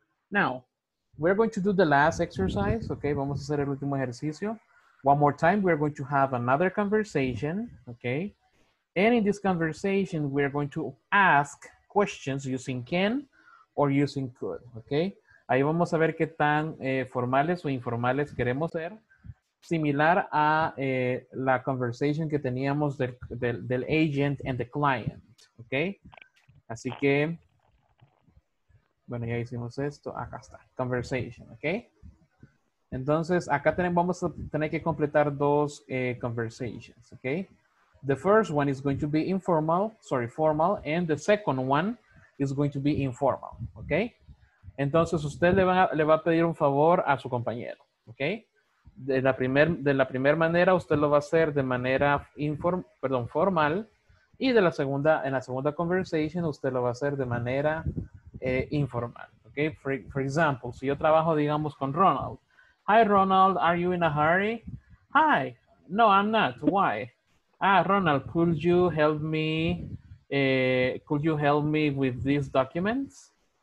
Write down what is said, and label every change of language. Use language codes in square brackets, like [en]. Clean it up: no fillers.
[en] Now, we're going to do the last exercise. Okay. [es] Vamos a hacer el último ejercicio. [en] One more time, we're going to have another conversation. Okay. And in this conversation, we are going to ask questions using can or using could, okay? [es] Ahí vamos a ver qué tan formales o informales queremos ser. Similar a la conversation que teníamos del [en] agent and the client, [es] okay? Así que, bueno, ya hicimos esto. Acá está, conversation, okay? Entonces, acá vamos a tener que completar dos conversations, okay? [en] The first one is going to be formal, and the second one is going to be informal, okay? [es] Entonces, usted le va a pedir un favor a su compañero, okay? De la primer manera, usted lo va a hacer de manera formal, y en la segunda conversation, usted lo va a hacer de manera informal, okay? [en] For example, [es] si yo trabajo, digamos, con Ronald. [en] Hi, Ronald, are you in a hurry? Hi. No, I'm not. Why? Ah, Ronald, could you help me with these documents?